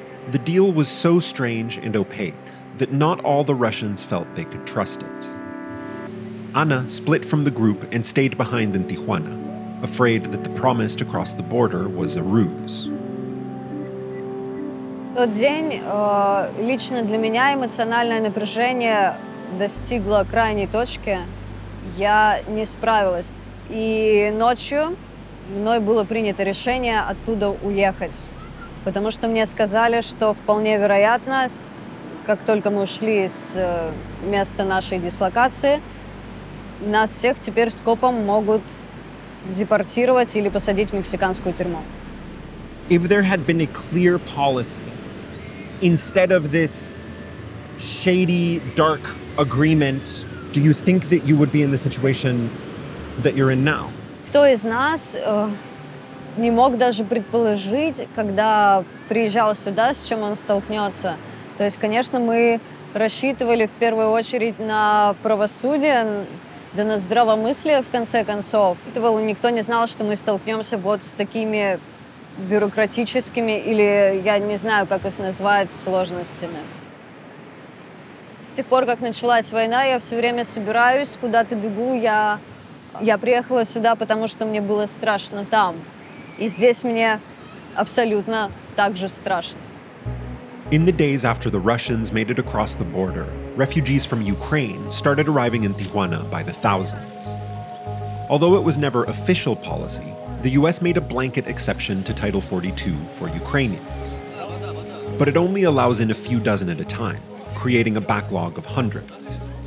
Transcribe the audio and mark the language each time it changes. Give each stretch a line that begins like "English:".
English: The deal was so strange and opaque that not all the Russians felt they could trust it. Anna split from the group and stayed behind in Tijuana, afraid that the promise to cross the border was a ruse.
Russian: Тот день, лично для меня эмоциональное напряжение достигло крайней точки. Я не справилась. И ночью мной было принято решение оттуда уехать. Потому что мне сказали, что вполне вероятно, как только мы ушли с места нашей дислокации, нас всех теперь скопом могут депортировать или посадить в мексиканскую тюрьму.
English: If there had been a clear policy, instead of this shady, dark agreement, do you think that you would be in the situation that you're in now?
Russian: Кто из нас не мог даже предположить, когда приезжал сюда, с чем он столкнется. То есть, конечно, мы рассчитывали в первую очередь на правосудие, да на здравомыслие, в конце концов. Никто не знал, что мы столкнемся вот с такими бюрократическими или, я не знаю, как их назвать, сложностями. С тех пор, как началась война, я все время собираюсь, куда-то бегу. Я приехала сюда, потому что мне было страшно там. И здесь мне абсолютно так же страшно.
English: In the days after the Russians made it across the border, refugees from Ukraine started arriving in Tijuana by the thousands. Although it was never official policy, the U.S. made a blanket exception to Title 42 for Ukrainians. But it only allows in a few dozen at a time, creating a backlog of hundreds.